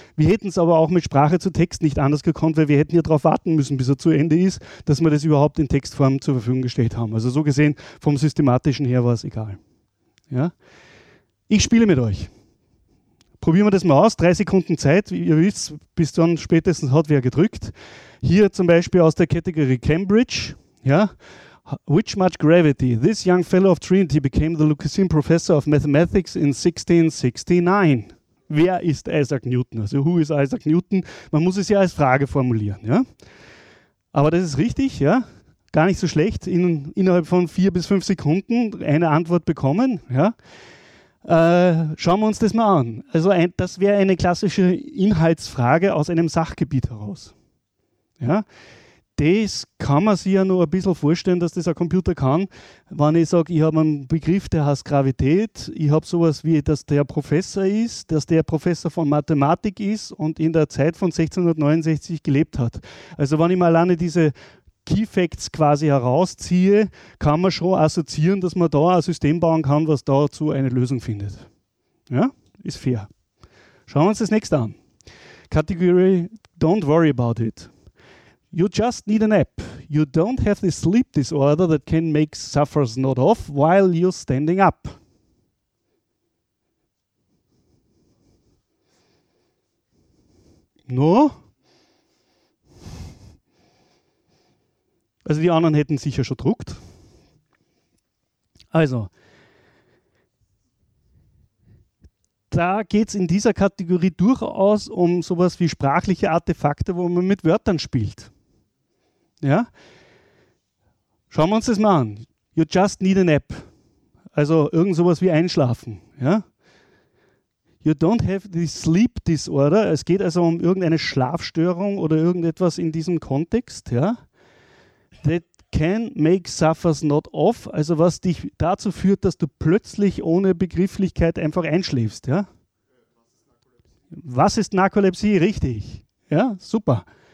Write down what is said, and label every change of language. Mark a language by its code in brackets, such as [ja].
[de] Wir hätten es aber auch mit Sprache zu Text nicht anders gekonnt, weil wir hätten ja darauf warten müssen, bis er zu Ende ist, dass wir das überhaupt in Textform zur Verfügung gestellt haben. Also so gesehen, vom Systematischen her war es egal. Ja? Ich spiele mit euch. Probieren wir das mal aus. 3 Sekunden Zeit, wie ihr wisst, bis dann spätestens hat wer gedrückt. Hier zum Beispiel aus der Kategorie Cambridge. Ja? [en] With much gravity, this young fellow of Trinity became the Lucasian Professor of Mathematics in 1669. [de] Wer ist Isaac Newton? Also [en] who is Isaac Newton? [de] Man muss es ja als Frage formulieren. Ja? Aber das ist richtig, ja? Gar nicht so schlecht. Innerhalb von 4 bis 5 Sekunden eine Antwort bekommen. Ja? Schauen wir uns das mal an. Also das wäre eine klassische Inhaltsfrage aus einem Sachgebiet heraus. Ja? Das kann man sich ja nur ein bisschen vorstellen, dass das ein Computer kann, wenn ich sage, ich habe einen Begriff, der heißt Gravität, ich habe sowas wie, dass der Professor ist, dass der Professor von Mathematik ist und in der Zeit von 1669 gelebt hat. Also wenn ich mal alleine diese Key Facts quasi herausziehe, kann man schon assoziieren, dass man da ein System bauen kann, was dazu eine Lösung findet. Ja, ist fair. Schauen wir uns das nächste an. [en] Kategorie Don't worry about it. You just need a nap. You don't have this sleep disorder that can make sufferers nod off while you're standing up. No? [de] Also die anderen hätten sicher schon gedruckt. Also, da geht es in dieser Kategorie durchaus um sowas wie sprachliche Artefakte, wo man mit Wörtern spielt. Ja? Schauen wir uns das mal an. [en] You just need a nap. [de] Also irgend sowas wie einschlafen. Ja? [en] You don't have the sleep disorder. [de] Es geht also um irgendeine Schlafstörung oder irgendetwas in diesem Kontext. Ja? [en] That can make suffers not off, [de] also was dich dazu führt, dass du plötzlich ohne Begrifflichkeit einfach einschläfst. Ja? Was ist Narkolepsie? Richtig. Ja, super.